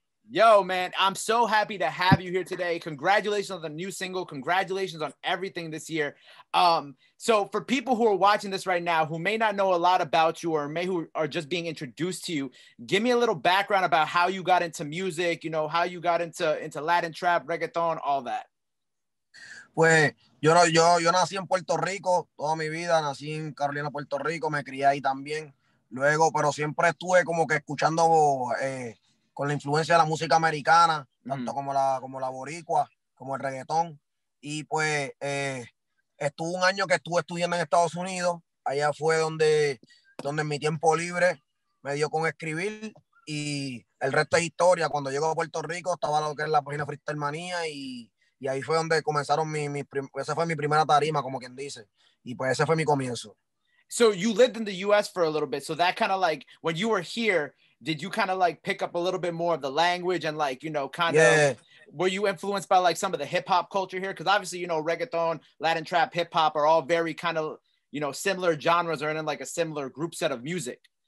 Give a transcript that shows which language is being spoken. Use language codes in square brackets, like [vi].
[en] Yo, man, I'm so happy to have you here today. Congratulations on the new single. Congratulations on everything this year. So for people who are watching this right now who may not know a lot about you or may who are just being introduced to you, give me a little background about how you got into music, you know, how you got into Latin trap, reggaeton, all that. [es] Pues, yo nací en Puerto Rico toda mi vida. Nací en Carolina, Puerto Rico. Me crié ahí también. Luego, pero siempre estuve como que escuchando... con la influencia de la música americana, tanto como la boricua, como el reggaetón. Y pues estuve un año que estuve estudiando en Estados Unidos. Allá fue donde en mi tiempo libre me dio con escribir. Y el resto es historia. Cuando llego a Puerto Rico estaba lo que es la página Freestyle Manía y ahí fue donde comenzaron esa fue mi primera tarima, como quien dice. Y pues ese fue mi comienzo. [en] So you lived in the US for a little bit. So that kind of like, when you were here, did you kind of like pick up a little bit more of the language and like, you know, kind of, were you influenced by like some of the hip hop culture here? Cause obviously, you know, reggaeton, Latin trap, hip hop are all very kind of, you know, similar genres or in like a similar group set of music.